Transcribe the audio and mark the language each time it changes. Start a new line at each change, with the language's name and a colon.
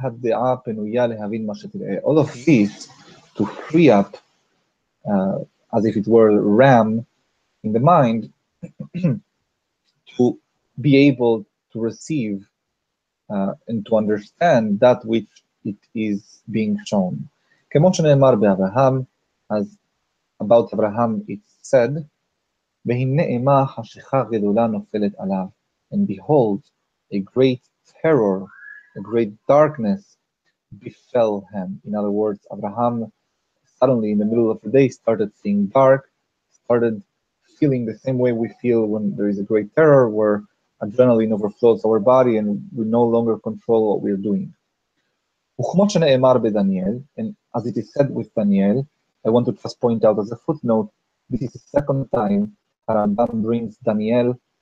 English: All of this to free up, as if it were RAM in the mind, to be able to receive and to understand that which it is being shown.
Hebrew: כמו שנאמר באברהם,
English: as about Abraham it said,
Hebrew: והנה אימה חשיכה גדולה נופלת עליו,
English: and behold, a great terror, a great darkness befell him. In other words, Abraham suddenly in the middle of the day started seeing dark, started feeling the same way we feel when there is a great terror, where adrenaline overflows our body and we no longer control what we are doing.
Hebrew: וכמו שנאמר בדניאל,
English: and as it is said with Daniel, I want to just point out as a footnote, this is the second time Rambam brings Daniel